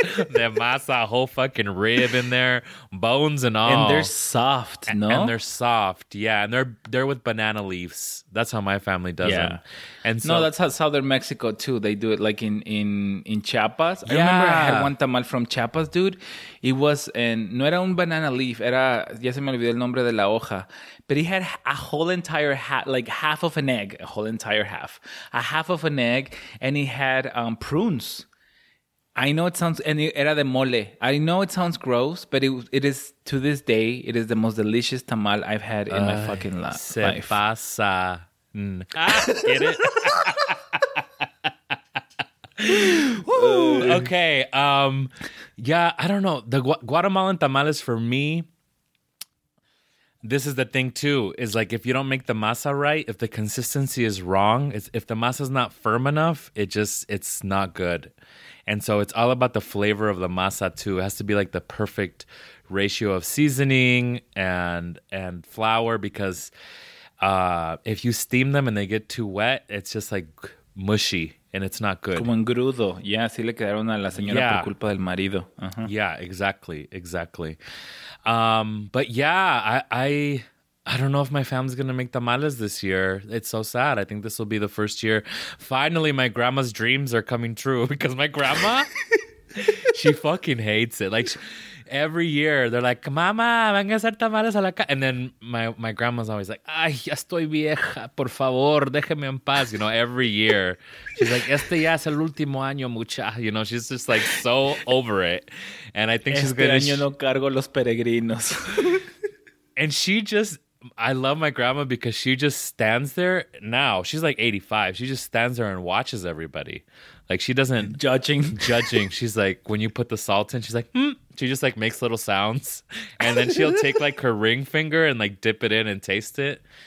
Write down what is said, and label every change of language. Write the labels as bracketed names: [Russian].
[English] They mass a whole fucking rib in there, bones and all. And they're soft, no? And they're soft, yeah. And they're with banana leaves. That's how my family does them. And so, no, that's how Southern Mexico too. They do it like in Chiapas. Yeah. I remember I had one tamal from Chiapas, dude. It was, and [Spanish] no era un [English] banana leaf. [Spanish] Era, ya se me olvidó el nombre de la hoja. [English] But it had a whole entire half, like half of an egg, a whole entire half. A half of an egg, and it had prunes. I know it sounds, and [Spanish] era de mole. [English] I know it sounds gross, but it is, to this day, it is the most delicious tamal I've had in my fucking life. [Spanish] Se pasa. [English] Get it? Okay. Yeah, I don't know. The Guatemalan tamales for me, this is the thing too, is like if you don't make the masa right, if the consistency is wrong, if the masa is not firm enough, it's not good. And so it's all about the flavor of the masa too. It has to be like the perfect ratio of seasoning and flour, because if you steam them and they get too wet, it's just like mushy and it's not good. [Spanish] Como engrudo. [English] Yeah, [Spanish] así le quedaron a la señora por culpa del marido. [English] Uh-huh. Yeah, exactly, exactly. But yeah, I don't know if my family's going to make tamales this year. It's so sad. I think this will be the first year. Finally, my grandma's dreams are coming true, because my grandma, she fucking hates it. Like, every year, they're like, [Spanish] Mama, van a hacer tamales a la casa. [English] And then my grandma's always like, [Spanish] Ay, ya estoy vieja, por favor, déjeme en paz. [English] You know, every year. She's like, [Spanish] Este ya es el último año, mucha. [English] You know, she's just like so over it. And I think she's going to... [Spanish] Este año no cargo los peregrinos. [English] And she just... I love my grandma because she just stands there now. She's like 85. She just stands there and watches everybody. Like, she doesn't... Judging. She's like, when you put the salt in, she's like, She just like makes little sounds. And then she'll take like her ring finger and like dip it in and taste it.